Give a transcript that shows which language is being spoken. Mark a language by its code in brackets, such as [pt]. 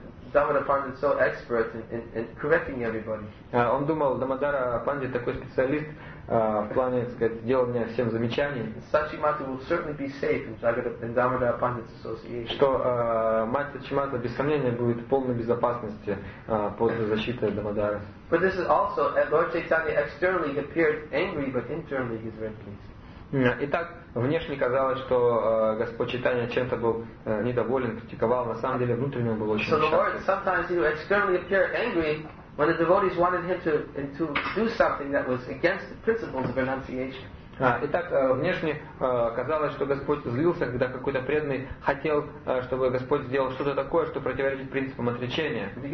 [en] Дамодара Пандит so expert in correcting everybody. [ru] Он думал, Дамодара Пандит такой специалист в плане, так сказать, делания всем замечаний. [en] Сачи Мата will certainly be safe in Дамодара Пандит's association. [ru] Что мать Сачи Мата без сомнения будет в полной безопасности под защитой Дамодары. [en] But this is also Lord Chaitanya externally appeared angry, but internally he's very pleased. [ru] Итак, внешне казалось, что Господь Чайтанья чем-то был недоволен, критиковал, на самом деле внутренне он был очень счастлив. [en] So the Lord sometimes he would externally appear angry when the devotees wanted him to do something that was against the principles of renunciation. [ru] Итак, внешне казалось, что Господь злился, когда какой-то преданный хотел, чтобы Господь сделал что-то такое, что противоречит принципам отречения.